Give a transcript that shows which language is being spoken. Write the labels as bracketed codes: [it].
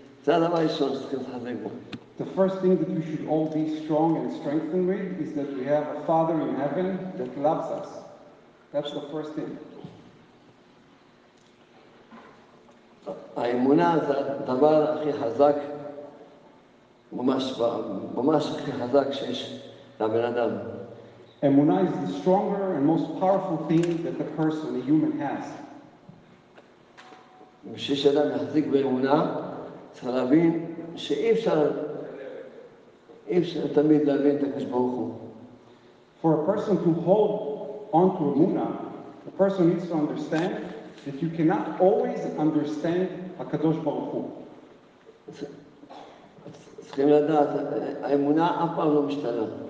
[en] The first thing that we should all be strong and strengthened with is that we have a Father in heaven that loves us. That's the first thing. [he] האמונה זה הדבר הכי חזק, ממש הכי חזק שיש לבן אדם. [en] Emunah is the stronger and most powerful thing that the person, a human, has. For a person to hold on to Emunah, the person needs to understand that you cannot always understand HaKadosh Baruch Hu.